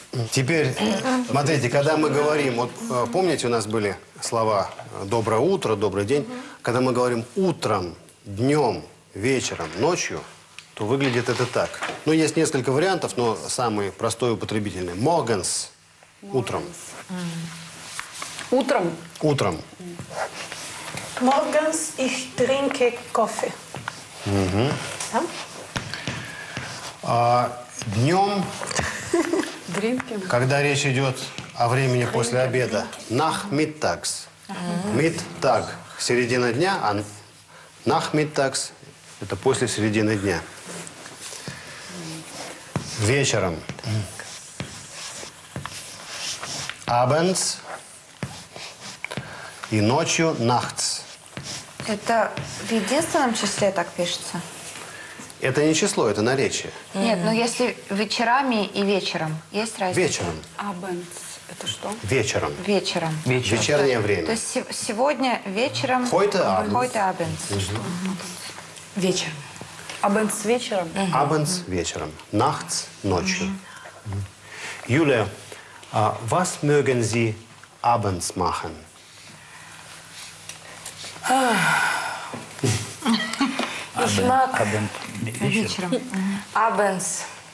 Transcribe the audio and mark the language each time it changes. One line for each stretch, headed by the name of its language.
Russian: Теперь, смотрите, когда мы говорим, вот помните, у нас были слова «доброе утро», «добрый день», когда мы говорим «утром», «днем», «вечером», «ночью», то выглядит это так. Ну, есть несколько вариантов, но самый простой употребительный.
German: «Morgens»
Russian: – «утром». «Утром»? «Утром».
German: «Morgens ich trinke кофе».
Russian: А днем... Когда речь идет о времени после обеда.
German: Nachmittags.
Russian: Mittag – середина дня, а Nachmittags – это после середины дня. Вечером.
German: Abends.
Russian: И ночью – nachts. Это в единственном числе так пишется? Это не число, это наречие. Нет, но если вечерами и вечером, есть разница? Вечером. Abends, это что? Вечером. Вечером. Вечером. Вечернее время. То есть сегодня вечером...
German: Heute Abends. Heute Abends.
Russian: Вечер. Abends вечером? Abends вечером. Nachts ночью.
German: Юлия, was mögen Sie abends machen? Ich mag...
Russian: Вечером.
German: Abends.